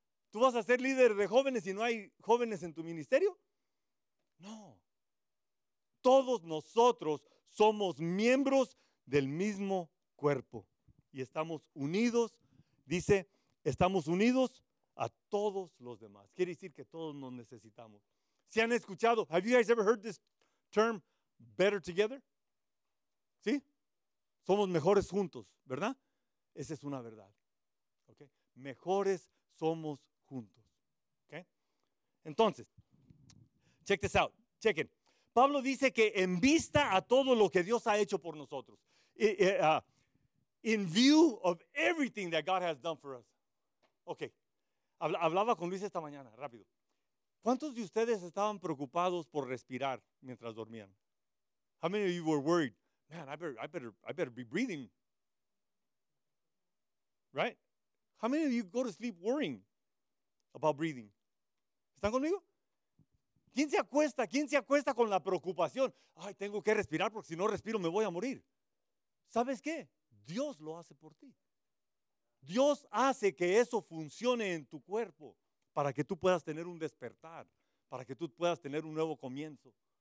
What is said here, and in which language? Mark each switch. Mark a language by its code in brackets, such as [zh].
[es] ¿Tú vas a ser líder de jóvenes y no hay jóvenes en tu ministerio? ¡No! Todos nosotros somos miembros del mismo cuerpo. Y estamos unidos, dice, estamos unidos a todos los demás. Quiere decir que todos nos necesitamos. ¿Se han escuchado? [en] Have you guys ever heard this term, better together? [es] ¿Sí? Somos mejores juntos, ¿verdad? Esa es una verdad. [en] ¿Okay? [es] Mejores somos juntos. ¿Okay? [en] Entonces, check this out. [es] Chequen. Pablo dice que en vista a todo lo que Dios ha hecho por nosotros, [en] in view of everything that God has done for us. [es] Okay. Hablaba con Luis esta mañana, rápido. ¿Cuántos de ustedes estaban preocupados por respirar mientras dormían? [en] How many of you were worried? Man, I better be breathing. Right? How many of you go to sleep worrying about breathing? [es] ¿Están conmigo? ¿Quién se acuesta? ¿Quién se acuesta con la preocupación? Ay, tengo que respirar porque si no respiro me voy a morir. ¿Sabes qué? Dios lo hace por ti. Dios hace que eso funcione en tu cuerpo para que tú puedas tener un despertar, para que tú puedas tener un nuevo comienzo.